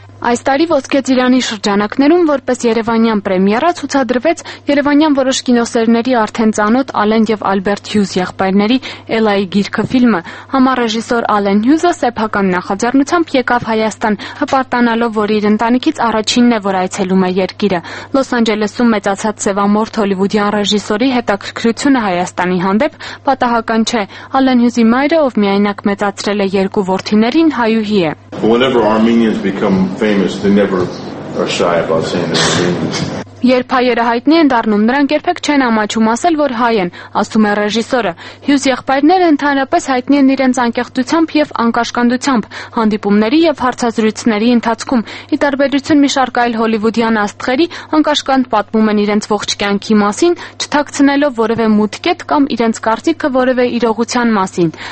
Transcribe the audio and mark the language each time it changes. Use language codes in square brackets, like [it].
[hy] Այս տարի Ոսկե Ծիրանի շրջանակներում որպես Երևանյան պրեմիերա ցուցադրվեց Երևանյան որոշ կինոսերների արդեն ծանոթ Ալեն և Ալբերտ Հյուզ եղբայրների Էլայի գիրքը ֆիլմը։ Համառեժիսոր Ալեն Հյուզը սեփական նախաձեռնությամբ եկավ Հայաստան, հպարտանալով, որ իր ընտանիքից առաջինն է, որ այցելում է երկիրը։ Լոս Անջելեսում մեծացած Սևամորթ Հոլիվուդյան ռեժիսորի հետաքրքրությունը Հայաստանի հանդեպ պատահական չէ։ Ալեն Հյուզի մայրը, ով միայնակ մեծացրել է երկու որդիներին, հայուհի է։ [en] Whenever Armenians become famous, they never are shy about saying they're Armenians. [hy] Երբ հայերը հայտնի են դառնում, նրանք երբեք չեն ամաչում ասել, որ հայ են, ասում է ռեժիսորը։ Հյուզ եղբայրները ընդհանրապես հայտնի են իրենց անկեղծությամբ և անկաշկանդությամբ հանդիպումների և հարցազրույցների ընթացքում։ Ի տարբերություն մի շարք այլ հոլիվուդյան աստղերի, անկաշկանդ պատմում են իրենց ողջ կյանքի մասին, չթաքցնելով որևէ մուտքետ կամ իրենց կարծիքը որևէ իրողության մասին։